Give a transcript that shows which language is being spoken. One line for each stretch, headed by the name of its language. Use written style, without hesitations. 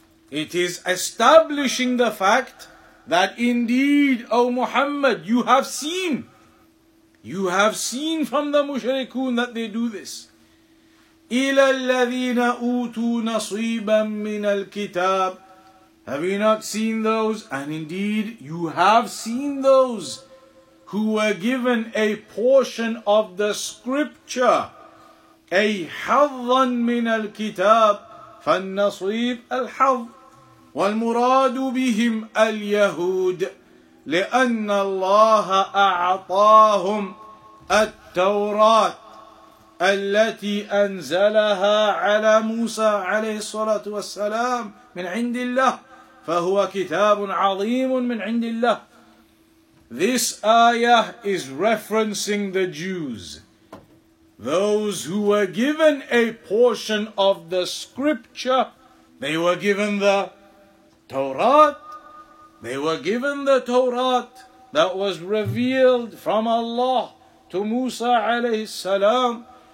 English: It is establishing the fact that indeed, O Muhammad, you have seen from the mushrikun that they do this.
Arabic: إِلَى الَّذِينَ أُوتُوا نَصِيبًا مِّنَ الْكِتَابِ.
English: Have you not seen those? And indeed, you have seen those who were given a portion of the scripture.
Arabic: A حَظًّا مِّنَ الْكِتَابِ فَالنَّصِيبُ الْحَظُّ وَالْمُرَادُ بِهِمْ الْيَهُودِ لِأَنَّ اللَّهَ أَعْطَاهُمْ التَّوْرَاةِ التي أنزلها على موسى عليه الصلاة والسلام من عند الله فهو كتاب عظيم من عند الله.
English: This ayah is referencing the Jews, those who were given a portion of the scripture. They were given the Torah. They were given the Torah that was revealed from Allah to Musa عليه السلام.